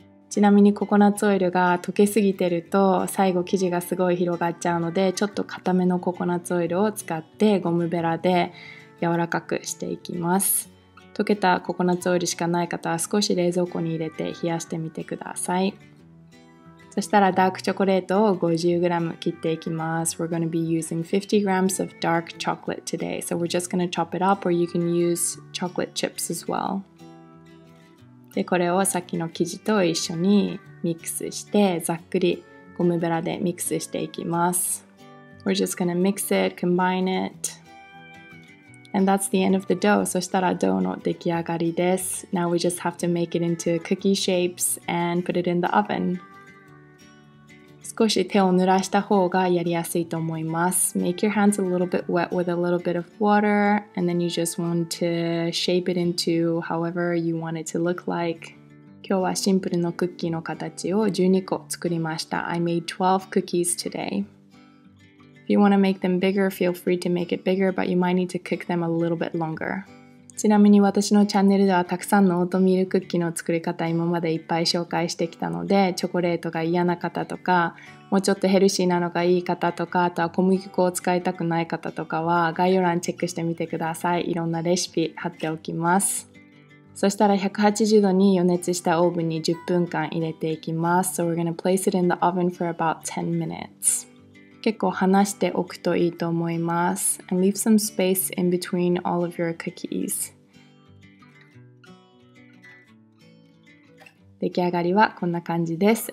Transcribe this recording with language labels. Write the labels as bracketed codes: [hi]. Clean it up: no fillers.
[ja] ちなみにココナッツオイルが溶けすぎてると最後生地がすごい広がっちゃうので、ちょっと固めのココナッツオイルを使ってゴムベラで柔らかくしていきます。溶けたココナッツオイルしかない方は少し冷蔵庫に入れて冷やしてみてください。そしたらダークチョコレートを 50g 切っていきます。 [en] We're going to be using 50 grams of dark chocolate today. So we're just going to chop it up or you can use chocolate chips as well. [ja] で、これをさっきの生地と一緒にミックスして、ざっくりゴムベラでミックスしていきます。 [en] We're just gonna mix it, combine it. And that's the end of the dough. [ja] そしたらドーの出来上がりです。 [en] Now we just have to make it into cookie shapes and put it in the oven. [ja] 少し手を濡らした方がやりやすいと思います。 [en] Make your hands a little bit wet with a little bit of water and then you just want to shape it into however you want it to look like. [ja] 今日はシンプルのクッキーの形を12個作りました。 [en] I made 12 cookies today. If you want to make them bigger, feel free to make it bigger, but you might need to cook them a little bit longer. [ja] ちなみに私のチャンネルではたくさんのオートミールクッキーの作り方今までいっぱい紹介してきたので、チョコレートが嫌な方とかもうちょっとヘルシーなのがいい方とか、あとは小麦粉を使いたくない方とかは概要欄チェックしてみてください。いろんなレシピ貼っておきます。そしたら180度に予熱したオーブンに10分間入れていきます。 [en] So we're gonna place it in the oven for about 10 minutes. [ja] 結構離しておくといいと思います。 [en] And leave some space in between all of your cookies. [ja] 出来上がりはこんな感じです。